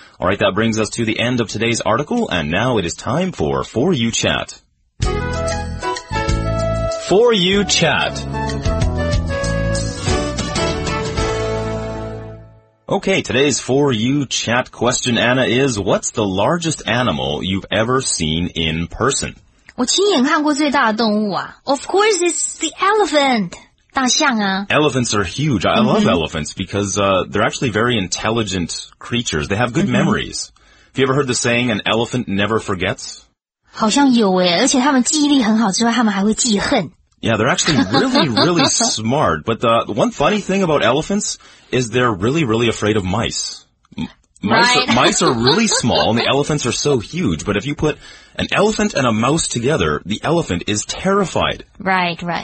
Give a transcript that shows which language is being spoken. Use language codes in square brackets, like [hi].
[en] All right, that brings us to the end of today's article, and now it is time for 4U Chat. 4U Chat. Okay, today's 4U Chat question, Anna, is what's the largest animal you've ever seen in person? [zh] 我亲眼看过最大的动物啊。 [en] Of course, it's the elephant. [zh] 大象啊。 [en] Elephants are huge. I love elephants because, they're actually very intelligent creatures. They have good memories. Have you ever heard the saying, an elephant never forgets? [zh] 好像有耶，而且他们记忆力很好之外，他们还会记恨。 [en] Yeah, they're actually really, really smart. But the one funny thing about elephants is they're really, really afraid of mice. Mice are really small and the elephants are so huge. But if you put an elephant and a mouse together, the elephant is terrified. Right, right.